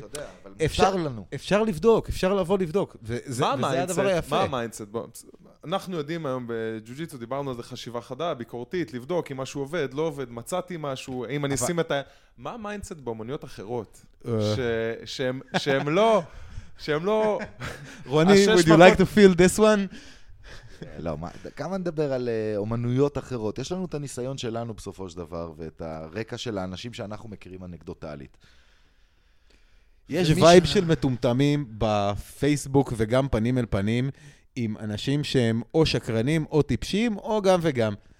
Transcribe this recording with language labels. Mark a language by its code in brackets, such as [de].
[he] כן, אתה יודע, אבל מותר לנו. אפשר לבדוק, אפשר לבוא לבדוק, וזה הדבר היפה. מה המיינדסט? אנחנו יודעים היום בג'וג'יצו, דיברנו על זה חשיבה חדה, ביקורתית, לבדוק אם משהו עובד, לא עובד, מצאתי משהו, אם אני אשים את ה... מה המיינדסט באמניות אחרות? שהם לא... [en] רוני, would you like to feel this one? [he] לא, כמה נדבר על אומנויות אחרות? יש לנו את הניסיון שלנו בסופו של דבר, ואת הרקע של האנשים שאנחנו מכירים אנקדוטלית. יש וייב של מטומטמים בפייסבוק וגם פנים אל פנים, עם אנשים שהם או שקרנים או טיפשים, או גם וגם.